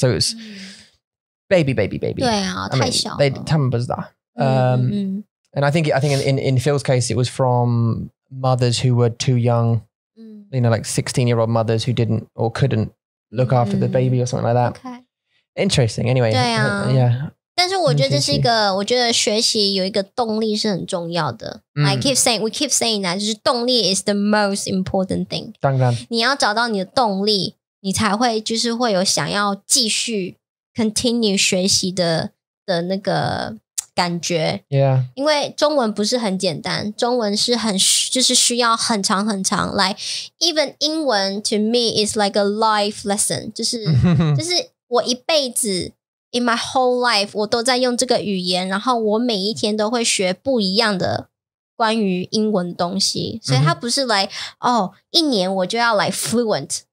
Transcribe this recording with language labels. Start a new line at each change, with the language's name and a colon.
English: So it's baby.
Chinese: 对啊
English: I mean,
Chinese: 太小了
English: They,
Chinese: 他们不知道
English: And I think in Phil's case, it was from... mothers who were too young, you know, like 16-year-old mothers who didn't or couldn't look after the baby or something like that. Okay. Interesting. Anyway,
Chinese: 对啊,
English: yeah.
Chinese: 但是我觉得这是一个，我觉得学习有一个动力是很重要的。
English: I keep saying, we keep saying that,
Chinese: 就是动力
English: is the most important thing.
Chinese: 当然。你要找到你的动力，你才会就是会有想要继续 continue 学习的那个感觉
English: yeah.
Chinese: 因为中文不是很简单中文是很就是需要很长很长 like even 英文
English: to me is like a life lesson
Chinese: 就是我一辈子
English: in my whole life
Chinese: 我都在用这个语言然后我每一天都会学不一样的关于英文东西所以它不是 like、mm-hmm. 哦一年我就要 like fluent